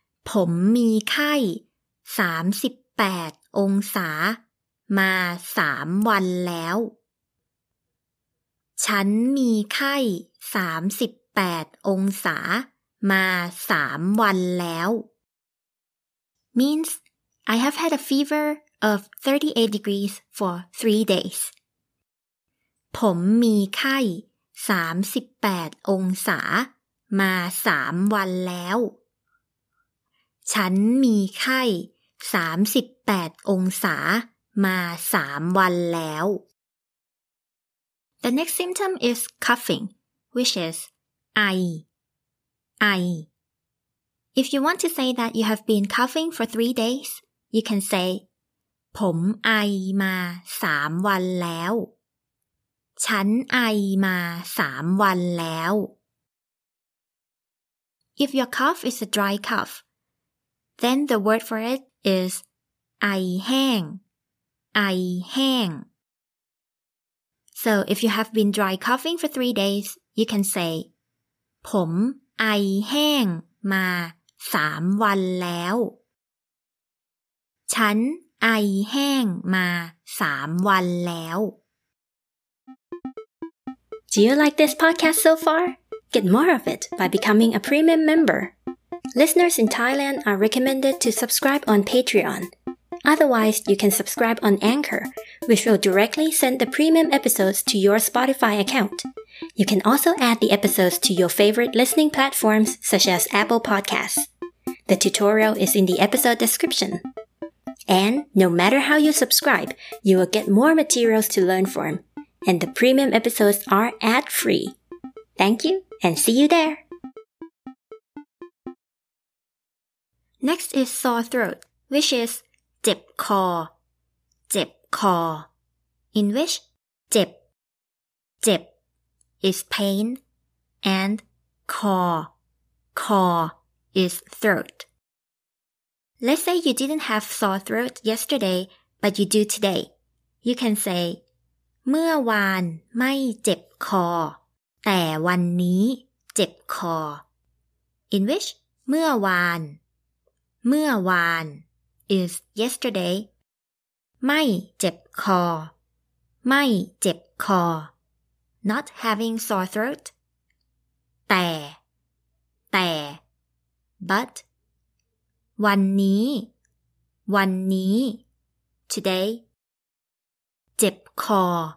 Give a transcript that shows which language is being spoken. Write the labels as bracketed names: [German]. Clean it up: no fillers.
[Thai] ผมมีไข้38องศามา3วันแล้วฉันมีไข้38องศามา3วันแล้ว [English] means I have had a fever of 38 degrees for 3 days [Thai] ผมมีไข้38องศามา3วันแล้วฉันมีไข้38องศามา3วันแล้ว [English] The next symptom is coughing, which is ไอไอ If you want to say that you have been coughing for 3 days, you can say [Thai] ผมไอมา3วันแล้วฉันไอมา3วันแล้ว [English] If your cough is a dry cough, then the word for itis [Thai] ไอแห้งไอแห้ง [English] So if you have been dry coughing for 3 days you can say [Thai] ผมไอแห้งมา3วันแล้วฉันไอแห้งมา3วันแล้ว [English] Do you like this podcast so far? Get more of it by becoming a premium member. Listeners in Thailand are recommended to subscribe on Patreon. Otherwise, you can subscribe on Anchor, which will directly send the premium episodes to your Spotify account. You can also add the episodes to your favorite listening platforms such as Apple Podcasts. The tutorial is in the episode description. And no matter how you subscribe, you will get more materials to learn from. And the premium episodes are ad-free. Thank you, and see you there! Next is sore throat, which is jip kho, jip kho. In which jip, jip is pain, and kho, kho is throat. Let's say you didn't have sore throat yesterday, but you do today. You can say, [Thai] เมื่อวานไม่เจ็บคอแต่วันนี้เจ็บคอ [English] In which เมื่อวาน is yesterday ไม่เจ็บคอไม่เจ็บคอ not having sore throat แต่ but วันนี้ today เจ็บคอ